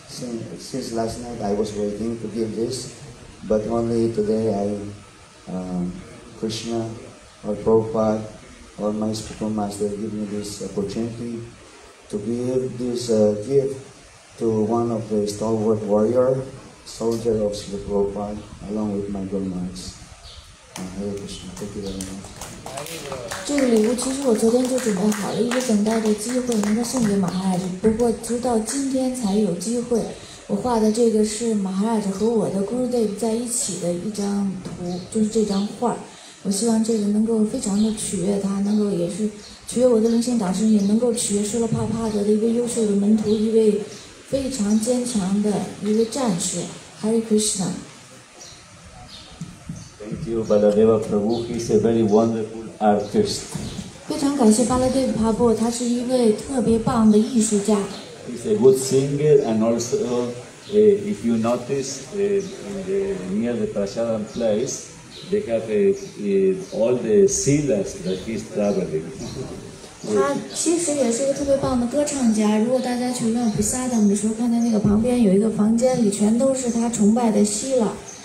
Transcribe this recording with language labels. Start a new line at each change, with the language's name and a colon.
English: Since last night I was waiting to give this, but only today Krishna or Prabhupada or my spiritual master give me this opportunity to give this gift to one of the stalwart warrior soldier of Sri Prabhupada along with my Guru Maharaj. Hare Krishna, thank you very much.
Chinese: 这个礼物其实我昨天就准备好了，一直等待着机会能够送给马哈拉，不过直到今天才有机会。我画的这个是马哈拉扎和我的 Gurudev 在一起的一张图，就是这张画。我希望这个能够非常的取悦他，能够也是取悦我的灵性导师，也能够取悦舒勒帕帕德的一位优秀的门徒，一位非常坚强的一位战士 Hare Krishna。
English: Thank you, Baladeva Prabhu. He's a very wonderful artist.
Chinese: 非常感谢巴拉德帕布，他是一位特别棒的艺术家。
English: He's a good singer, and also, if you notice, near the Prasadam place, they have all the silas that he's traveling.
Chinese: 他其实也是一个特别棒的歌唱家。如果大家去那普萨达的时候，看见那个旁边有一个房间里全都是他崇拜的希腊。